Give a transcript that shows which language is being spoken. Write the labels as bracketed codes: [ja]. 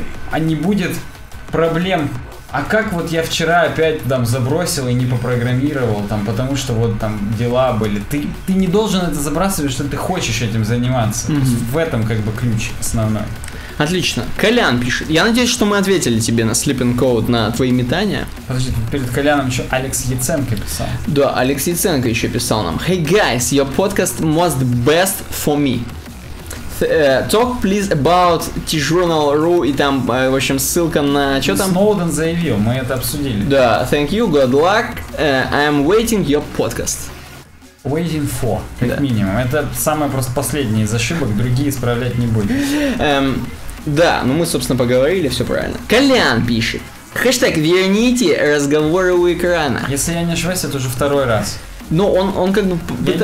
[ru] А не будет проблем... А как вот я вчера опять там забросил и не попрограммировал, там, потому что вот там дела были. Ты не должен это забрасывать, что ты хочешь этим заниматься. Mm-hmm. То есть в этом как бы ключ основной. Отлично. Колян пишет. Я надеюсь, что мы ответили тебе на Sleeping Code, на твои метания. Подожди, перед Коляном еще Алекс Яценко писал. Да, Алекс Яценко еще писал нам. [en] Hey guys, your podcast most best for me. Talk, please, about tjournal.ru [ru] и там, в общем, ссылка на... Что там? Сноуден заявил, мы это обсудили. [en] Да, thank you, good luck, I'm waiting your podcast. Waiting for, [ru] как да. Минимум. Это самый просто последний из ошибок, другие исправлять не будем. Да, ну мы, собственно, поговорили, все правильно. Колян пишет. Хэштег верните разговоры у экрана. Если я не ошибаюсь, это уже второй раз. Но он как бы пытается.